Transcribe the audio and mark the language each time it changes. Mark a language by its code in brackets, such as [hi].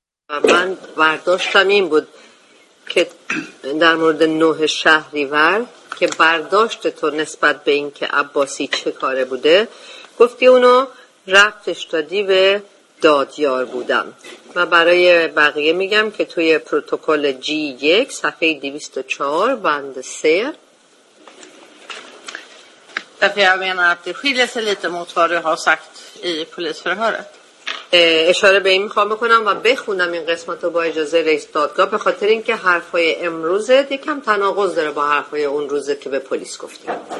[fa] من برداشتم این بود که در مورد نوح شهریور که برداشت تو نسبت به این که عباسی چه کاره بوده، گفتی اونو رفتش دادی به دادیار بودم. و برای بقیه میگم که توی پروتکل جی یک صفحه 204 بند 3 [sv] därför jag menar att det skiljer sig lite mot vad du har sagt i polisförhöret. [fa] اشاره به این میخوام بکنم و بخونم این قسمت رو با اجازه رئیس دادگاه، به خاطر اینکه حرفای امروز یکم تناقض داره با حرفای اون روز که به پلیس گفتیم.